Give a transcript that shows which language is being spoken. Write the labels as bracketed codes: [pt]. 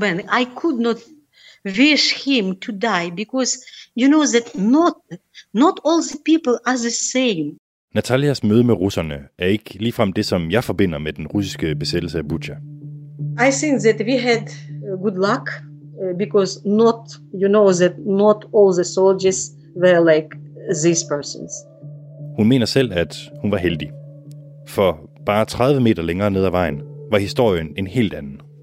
[en] I could not wish him to die because you know that not all the people are the same. [da] Natalias møde med russerne er ikke ligefrem det, som jeg forbinder med den russiske besættelse af Bucha. [en] I think that we had good luck because not, you know, that not all the soldiers were like these persons. [da] Hun mener selv, at hun var heldig. For bare 30 meter længere ned ad vejen var historien en helt anden.